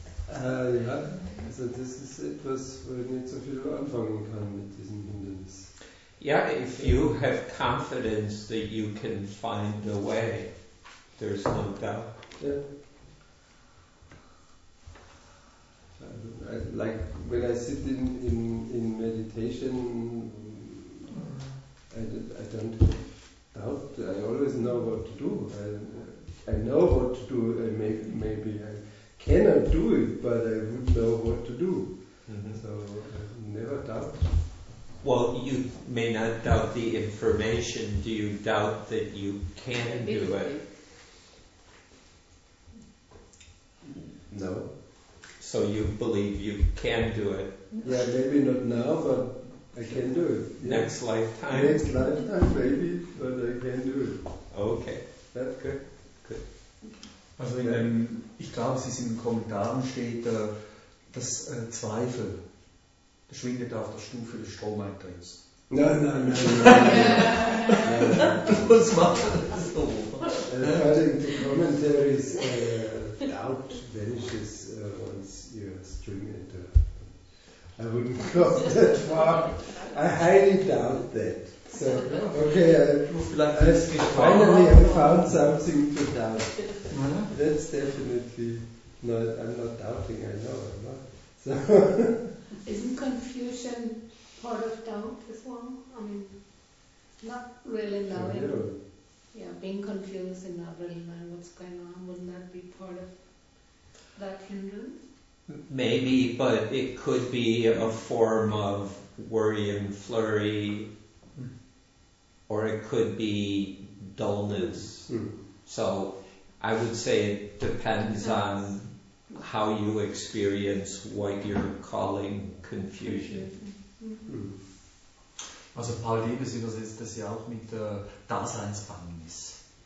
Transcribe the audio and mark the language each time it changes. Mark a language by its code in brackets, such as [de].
[de] Ja, also das ist etwas, wo ich nicht so viel anfangen kann mit diesem Hindernis. [en] Yeah, if you have confidence that you can find a way, there's no doubt. Yeah. Like when I sit in meditation, I don't doubt. I always know what to do. I know what to do. Maybe I cannot do it, but I would know what to do. Mm-hmm. So I never doubt. Well, you may not doubt the information. Do you doubt that you can do it? No. So you believe you can do it? Yeah, maybe not now, but I can do it. Yeah. Next lifetime? Next lifetime, maybe, but I can do it. Okay. That's good. Good. [de] Also in dem, ich glaube, es ist in den Kommentaren steht, dass Zweifel, das schwindet auf der Stufe des Stromeintritts. Nein. Was macht das so? [en] According to commentaries, doubt vanishes once your string enter. I wouldn't go that far. I highly doubt that. So, okay, I finally found something to doubt. That's definitely not, I'm not doubting, I know, I'm not. So. Isn't confusion part of doubt as well? I mean, not really knowing. Yeah, being confused and not really knowing what's going on, wouldn't that be part of that hindrance? Maybe, but it could be a form of worry and flurry, or it could be dullness. Mm. So I would say it depends on how you experience what you're calling confusion. Mm-hmm. [de] Also Paul Liebes übersetzt das ja auch mit Daseinsbangnis.